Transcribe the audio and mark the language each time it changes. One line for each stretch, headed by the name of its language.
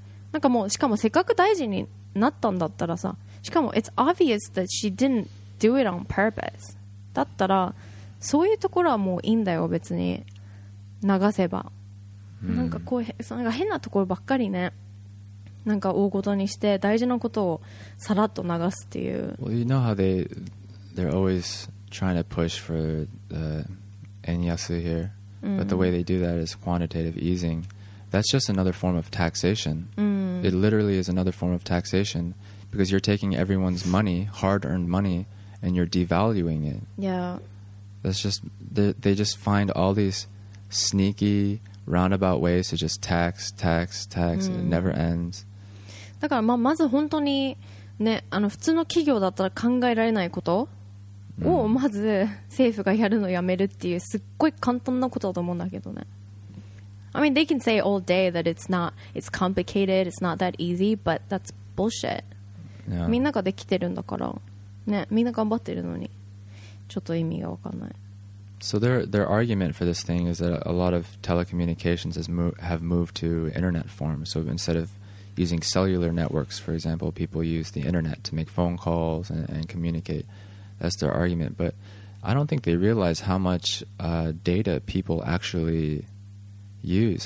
Japanese: なんかもうしかもせっかく大臣になったんだったらさ、しかも
English: it's obvious that she didn't do it on purpose.
Japanese: だったら。そういうところはもういいんだよ別に流せば、なんかこうなんか変なところばっかりね、なんか大ごとにして大事なことをさらっと流すっていう。
English: Well, you know how they're always trying to push for the 円安 here, but the way they do that is quantitative easing. That's just another form of taxation. It literally is another form of taxation because you're taking everyone's money, hard-earned money, and you're devaluing it. Yeah. That's just they just find all these sneaky roundabout ways to just tax, and it never ends.
Japanese: だからまあまず本当にねあの普通の企業だったら考えられないことをまず政府がやるのやめるっていうすっごい簡単なことだと思うんだけどね。
English: I mean they can say all day that it's complicated, it's not that easy, but that's bullshit. Yeah.
Japanese: みんなができてるんだからねみんな頑張ってるのに。ちょっと意味が分かんない。
English: So their argument for this thing is that a lot of telecommunications have moved to internet form. So instead of using cellular networks, for example, people use the internet to make phone calls and communicate. That's their argument. But I don't think they realize how much data people actually use.